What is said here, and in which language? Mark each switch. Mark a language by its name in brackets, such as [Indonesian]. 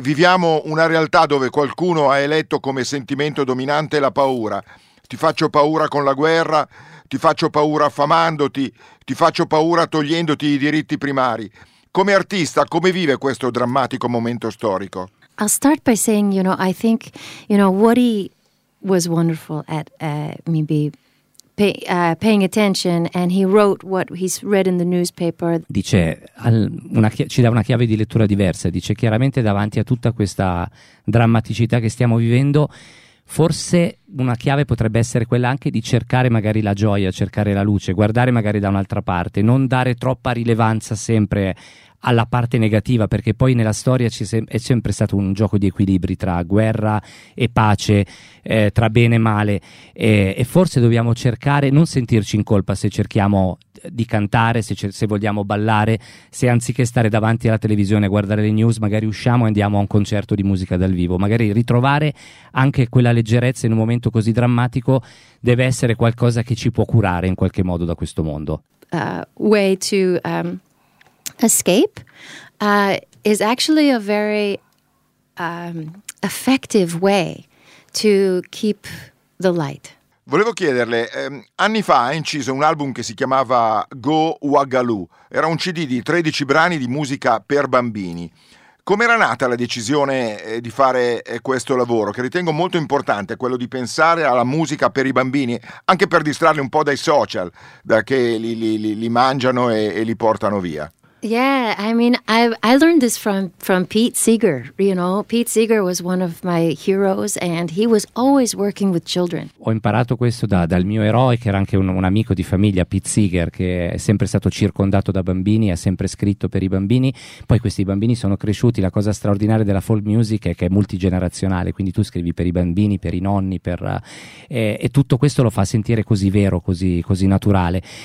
[Italian] Viviamo una realtà dove qualcuno ha eletto come sentimento dominante la paura. Ti faccio paura con la guerra, ti faccio paura affamandoti, ti faccio paura togliendoti i diritti primari. Come artista, come vive questo drammatico momento storico? [English] I'll start by saying, you know, I think, you know, Woody was wonderful at maybe paying attention, and he wrote what he's read in the newspaper. [Italian] Dice ci dà una chiave di lettura diversa. Dice chiaramente davanti a tutta questa drammaticità che stiamo vivendo, forse una chiave potrebbe essere quella anche di cercare magari la gioia, cercare la luce, guardare magari da un'altra parte, non dare troppa rilevanza sempre alla parte negativa, perché poi nella storia è sempre stato un gioco di equilibri tra guerra e pace, tra bene e male, e forse dobbiamo cercare, non sentirci in colpa se cerchiamo di cantare, se vogliamo ballare, se anziché stare davanti alla televisione a guardare le news magari usciamo e andiamo a un concerto di musica dal vivo, magari ritrovare anche quella leggerezza in un momento così drammatico deve essere qualcosa che ci può curare in qualche modo da questo mondo. [English] Way to escape is actually a very effective way to keep the light. [Italian] Volevo chiederle, anni fa ha inciso un album che si chiamava Go Wagalu, era un CD di 13 brani di musica per bambini. Com'era nata la decisione di fare questo lavoro, che ritengo molto importante, quello di pensare alla musica per i bambini, anche per distrarli un po' dai social, da che li mangiano e li portano via? [English] Yeah, I mean, I learned this from Pete Seeger, you know. Pete Seeger was one of my heroes and he was always working with children. [Italian] Ho imparato questo dal mio eroe, che era anche un amico di famiglia, Pete Seeger, che è sempre stato circondato da bambini, ha sempre scritto per i bambini. Poi questi bambini sono cresciuti, la cosa straordinaria della folk music è che è multigenerazionale, quindi tu scrivi per i bambini, per i nonni, e tutto questo lo fa sentire così vero, così naturale.